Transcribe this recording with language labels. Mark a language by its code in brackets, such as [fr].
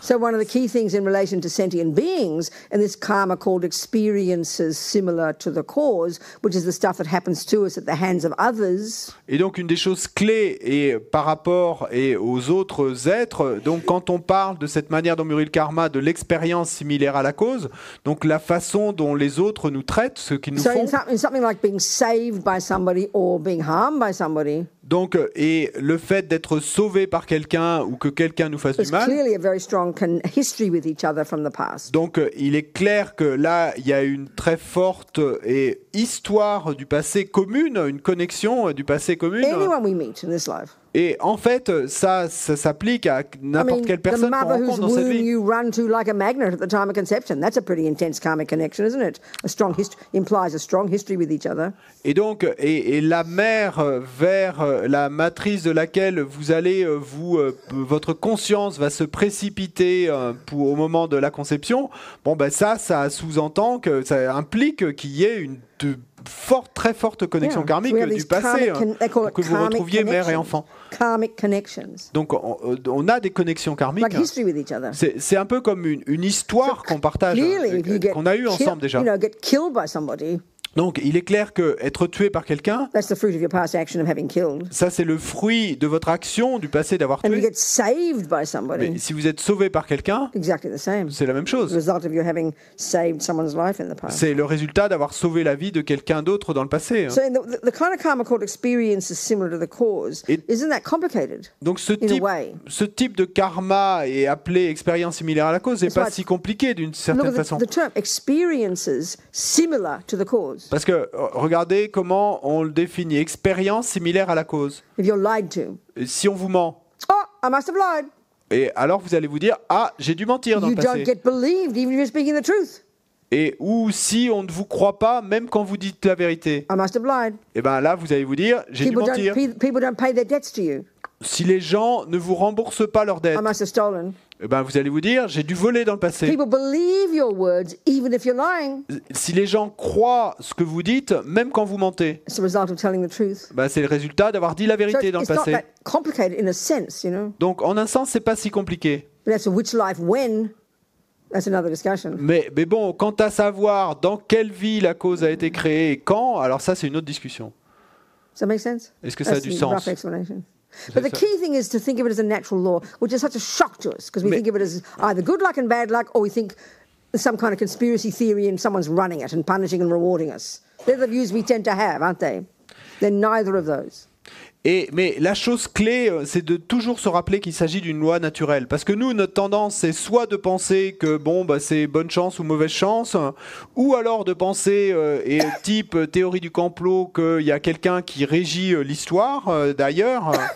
[en] So one of the key things in relation to sentient beings and this karma called experiences similar to the cause, which is the stuff that happens to us at the hands of others. [fr] Et donc une des choses clés est par rapport et aux autres êtres. Donc quand on parle de cette manière dont mûrit le karma, de l'expérience similaire à la cause, donc la façon dont les autres nous traitent, ce qu'ils nous [en] so [fr] font. [en] In something like being saved by somebody or being harmed by somebody. [fr] Donc, et le fait d'être sauvé par quelqu'un ou que quelqu'un nous fasse du mal. [en] Clearly a very strong history with each other from the past. [fr] Donc, il est clair que là, il y a une très forte et histoire du passé commune, une connexion du passé commune. [en] Anyone we meet in this life. [fr] Et en fait, ça s'applique à n'importe quelle personne qu'on rencontre dans cette vie. [en] The mother whose womb you run to like a magnet at the time of conception. That's a pretty intense karmic connection, isn't it? A strong history implies a strong history with each other. [fr] Et donc, et la mère vers la matrice de laquelle vous allez, vous, votre conscience va se précipiter pour, au moment de la conception. Bon, ben ça sous-entend que ça implique qu'il y ait une très forte connexion karmique du passé, que vous retrouviez mère et enfant. Donc on a des connexions karmiques. [en] Like history with each other. [fr] C'est un peu comme une histoire qu'on partage, qu'on a eue ensemble déjà. [en] You know, get killed by somebody. [fr] Donc il est clair que être tué par quelqu'un, [en] that's the fruit of your past action of having killed. [fr] Ça c'est le fruit de votre action du passé d'avoir [en] and [fr] tué. [en] You get saved by somebody. [fr] Mais si vous êtes sauvé par quelqu'un, [en] exactly the same. [fr] C'est la même chose. [en] Result of your having saved someone's life in the past. [fr] C'est le résultat d'avoir sauvé la vie de quelqu'un d'autre dans le passé. [en] So the kind of karma called experience is similar to the cause. Isn't that complicated? [fr] Donc ce type de karma est appelé expérience similaire à la cause, n'est pas si compliqué d'une certaine façon. [en] The term experiences similar to the cause. [fr] Parce que regardez comment on le définit, expérience similaire à la cause. [en] If you're lied to. [fr] Si on vous ment. [en] Oh, I must have lied. [fr] Et alors vous allez vous dire, ah, j'ai dû mentir dans [en] you [fr] le passé. [en] Don't get believed, even if you're speaking the truth. [fr] Et ou si on ne vous croit pas, même quand vous dites la vérité. [en] I must have lied. [fr] Et bien là, vous allez vous dire, j'ai [en] people [fr] dû mentir. [en] People don't pay their debts to you. [fr] Si les gens ne vous remboursent pas leurs dettes. [en] I must have stolen. [fr] Eh ben, vous allez vous dire, j'ai dû voler dans le passé. [en] People believe your words, even if you're lying. [fr] Si les gens croient ce que vous dites, même quand vous mentez, [en] it's the result of telling the truth. [fr] Ben, c'est le résultat d'avoir dit la vérité [en] so [fr] dans [en] it's [fr] le passé. [en] Not that complicated in a sense, you know? [fr] Donc, en un sens, ce n'est pas si compliqué. [en] That's which life, when, that's another discussion. [fr] Mais bon, quant à savoir dans quelle vie la cause a été créée et quand, alors ça, c'est une autre discussion. [en] Does that make sense? [fr] Est-ce que ça [en] that's [fr] a du sens? [en] Rough explanation. But the key thing is to think of it as a natural law, which is such a shock to us, because we think of it as either good luck and bad luck, or we think some kind of conspiracy theory and someone's running it and punishing and rewarding us. They're the views we tend to have, aren't they? They're neither of those. [fr] Mais la chose clé, c'est de toujours se rappeler qu'il s'agit d'une loi naturelle. Parce que nous, notre tendance, c'est soit de penser que bon, bah, c'est bonne chance ou mauvaise chance, ou alors de penser, et type théorie du complot, qu'il y a quelqu'un qui régit l'histoire, d'ailleurs.